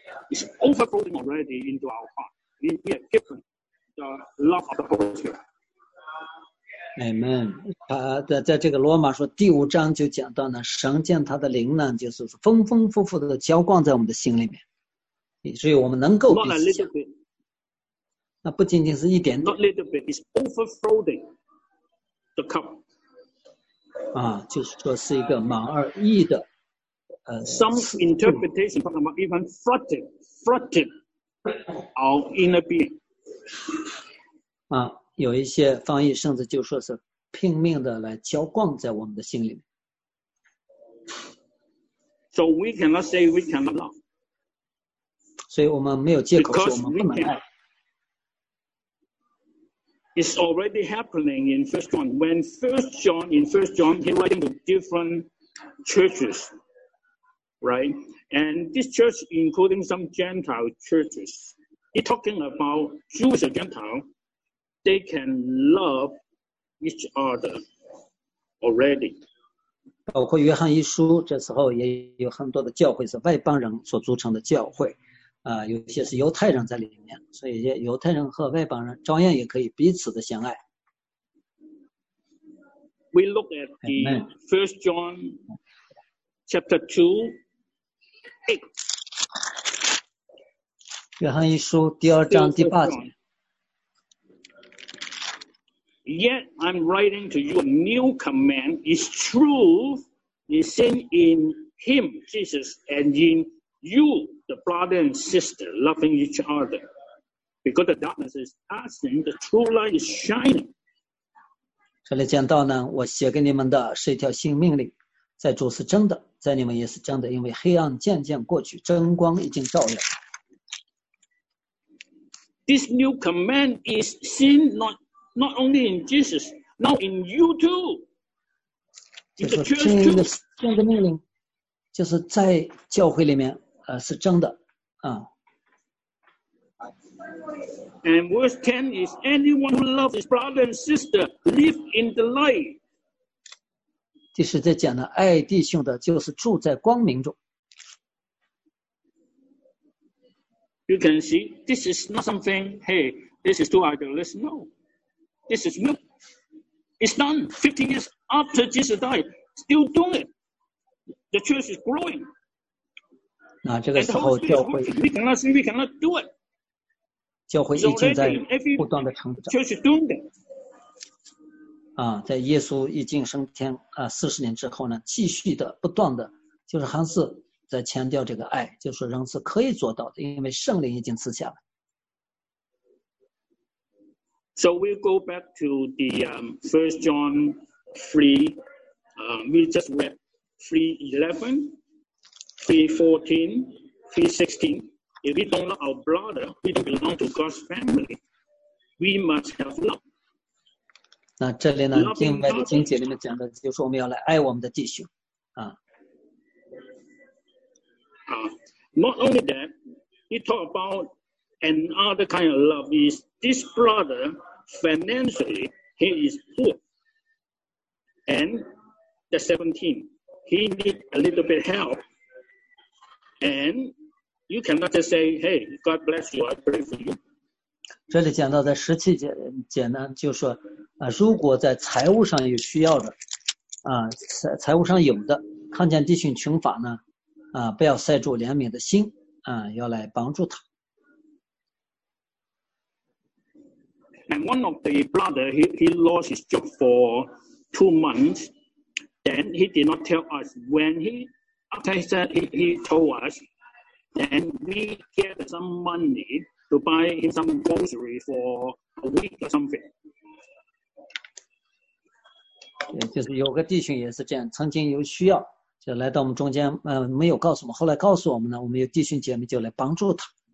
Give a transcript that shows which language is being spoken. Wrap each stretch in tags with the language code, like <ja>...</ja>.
<en>It's overflowing already into our heart. We have given the love of the Holy Spirit. Amen.</en> <zh>在这个罗马书第五章就讲到呢，神将他的灵呢，就是丰丰富富的浇灌在我们的心里面，以至于我们能够彼此相爱。那不仅仅是一点点。</zh> <en>Not little bit, it's overflowing the cup.</en> <zh>啊，就是说是一个满而溢的。</zh> <en>Some interpretation talking about even flooding our inner being.</en> <zh>啊，有一些翻译甚至就说是拼命的来浇灌在我们的心里面。</zh> <en>So we cannot say we cannot love.</en> <zh>所以我们没有借口说我们不能爱。</zh> <en>It's already happening in 1 John. When 1 John, in 1 John, he's writing to different churches, right? And this church, including some Gentile churches, he's talking about Jewish and Gentile, they can love each other already.</en> <zh>包括约翰一书，这时候也有很多的教会是外邦人所组成的教会。有些是犹太人在里面，所以犹太人和外邦人照样也可以彼此的相爱。</zh> <en>We look at the First John chapter 2:8.</en> <zh>约翰一书第二章第八节。</zh> <en>Yet I'm writing to you a new command. It's truth is seen in Him, Jesus, and in you. The brother and sister loving each other because the darkness is passing, the true light is shining.</en> <zh>这里讲到呢，我写给你们的是一条新命令，在主是真的，在你们也是真的，因为黑暗渐渐过去，真光已经照耀。</zh> <en>This new command is seen not only in Jesus, now in you too.</en> <zh>这是新的命令，就是在教会里面。是真的，啊。</zh> <en>And verse 10 is anyone who loves his brother and sister live in the light.</en> <zh>第十节讲了爱弟兄的就是住在光明中。</zh> <en>You can see, this is not something, hey, this is too idealistic. No, this is new. It's done 50 years after Jesus died, still doing it. The church is growing.</en> <zh>那这个时候教会</zh> <en>we cannot do it.</en> <zh>教会已经在不断的成长。</zh> <en>Church is doing it.</en> <zh>啊，在耶稣已经升天啊四十年之后呢，继续的不断的，就是还是在强调这个爱，就是仍是可以做到的，因为圣灵已经赐下了。</zh> <en>So we go back to the First John 3, we just read 3:11, 3:14, 3:16. If we don't love our brother, we don't belong to God's family. We must have love.</en> <zh>那这里呢另外的经节里面讲的就是我们要来爱我们的弟兄啊。</zh> <en>Not only that, he talked about another kind of love is this brother financially, he is poor. And the 17, he needs a little bit help. And you cannot just say, hey, God bless you, I pray for you.</en> <zh>这里讲到的十七节简单就是说啊，如果在财务上有需要的啊，财务上有的看见弟兄穷乏呢啊，不要塞住怜悯的心啊，要来帮助他。</zh> <en>And one of the brother, he lost his job for 2 months, then he did not tell us when he, after he said he told us, then we get some money. To buy him some grocery for a week or something.</en> <zh>就是有个弟兄也是这样，曾经有需要，就来到我们中间，没有告诉我们，后来告诉我们呢，我们有弟兄姐妹就来帮助他。</zh>